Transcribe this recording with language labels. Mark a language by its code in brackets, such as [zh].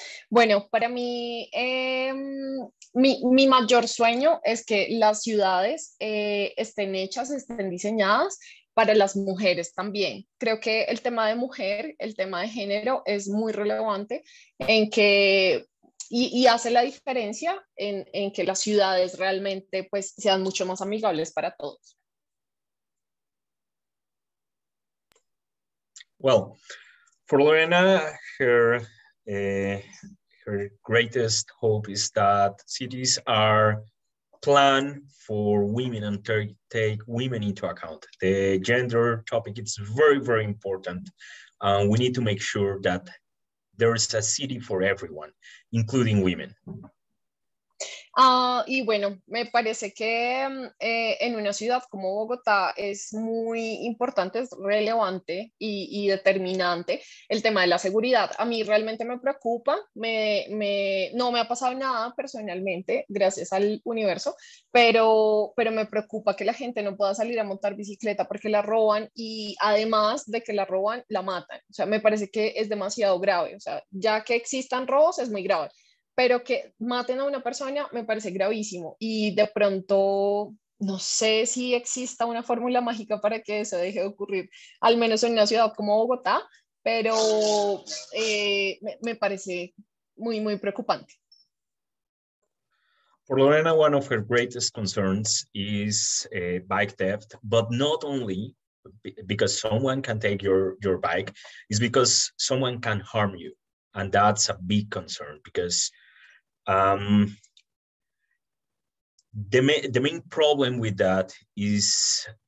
[es] Bueno, para mí, mi mayor sueño es que las ciudades estén hechas, estén diseñadas para las mujeres también. Creo que el tema de mujer, el tema de género es muy relevante en que y hace la diferencia en que las ciudades realmente pues, sean mucho más amigables para todos. [en] Well, for Lorena, her greatest hope is that cities are planned for women and take women into account. The gender topic is very, very important. We need to make sure that there is a city for everyone, including women. [es] Y bueno, me parece que en una ciudad como Bogotá es muy importante, es relevante y determinante el tema de la seguridad. A mí realmente me preocupa, no me ha pasado nada personalmente, gracias al universo, pero me preocupa que la gente no pueda salir a montar bicicleta porque la roban y además de que la roban, la matan. O sea, me parece que es demasiado grave. O sea, ya que existan robos, es muy grave. Pero que maten a una persona me parece gravísimo y de pronto no sé si exista una fórmula mágica para que eso deje de ocurrir, al menos en una ciudad como Bogotá, pero me parece muy, muy preocupante. [en] For Lorena, one of her greatest concerns is bike theft, but not only because someone can take your bike, is because someone can harm you, and that's a big concern because the main problem with that is